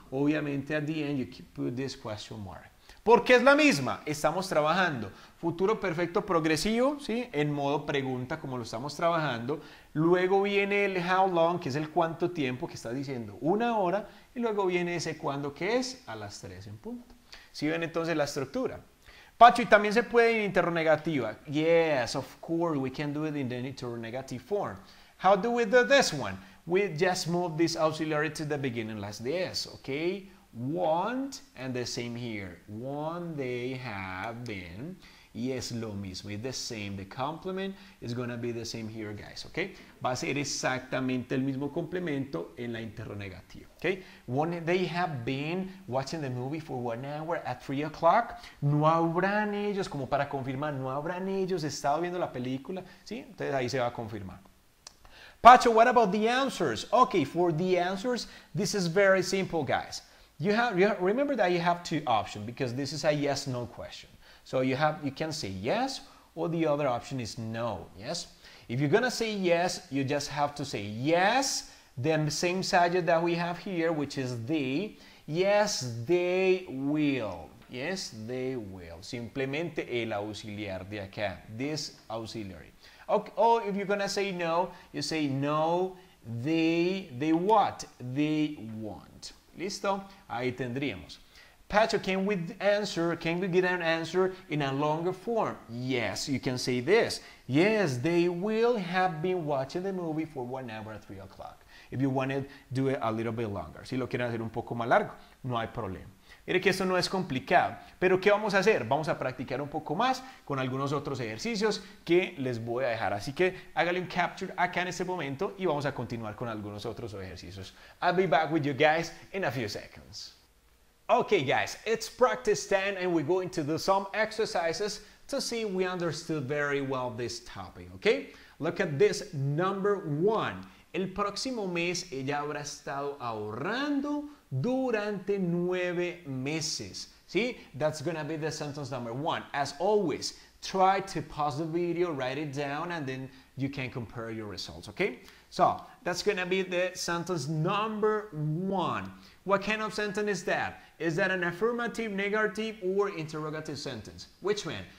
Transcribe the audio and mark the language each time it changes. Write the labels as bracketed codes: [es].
[en] Obviamente, at the end, you keep put this question mark. [es] ¿Por qué es la misma? Estamos trabajando futuro perfecto progresivo, ¿sí? En modo pregunta, como lo estamos trabajando. Luego viene el how long, que es el cuánto tiempo, que está diciendo 1 hora. Y luego viene ese cuándo, que es a las 3 en punto. ¿Sí ven entonces la estructura? Pacho, y también se puede en interrogativa. [en] Yes, of course, we can do it in the interrogative form. How do we do this one? We just move this auxiliary to the beginning like this, okay? Want, and the same here. Want they have been. Yes, [es] lo mismo. [en] It's the same. The complement is going to be the same here, guys, okay? [es] Va a ser exactamente el mismo complemento en la interrogativa. Okay? [en] When they have been watching the movie for 1 hour at 3 o'clock, [es] no habrán ellos, como para confirmar, no habrán ellos estado viendo la película, ¿sí? Entonces ahí se va a confirmar. [en] Pacho, what about the answers? Okay, for the answers, this is very simple, guys. Remember that you have 2 options because this is a yes-no question. So you can say yes, or the other option is no, yes? If you're gonna say yes, you just have to say yes, then the same subject that we have here, which is they, yes, they will, yes, they will. [es] Simplemente el auxiliar de acá, [en] this auxiliary. Okay, or if you're gonna say no, you say no, they what? They want. [es] ¿Listo? Ahí tendríamos. [en] Pacho, can we get an answer in a longer form? Yes, you can say this. Yes, they will have been watching the movie for 1 hour at 3 o'clock. If you want to do it a little bit longer. [es] Si lo quieren hacer un poco más largo, no hay problema. Mire que esto no es complicado. Pero, ¿qué vamos a hacer? Vamos a practicar un poco más con algunos otros ejercicios que les voy a dejar. Así que hágale un capture acá en este momento y vamos a continuar con algunos otros ejercicios. [en] I'll be back with you guys in a few seconds. Okay, guys, it's practice time and we're going to do some exercises to see if we understood very well this topic, okay? Look at this number 1. [es] El próximo mes ella habrá estado ahorrando durante 9 meses, ¿sí? [en] That's gonna be the sentence number 1. As always, try to pause the video, write it down, and then you can compare your results, okay? So, that's gonna be the sentence number 1. What kind of sentence is that? Is that an affirmative, negative, or interrogative sentence? Which one?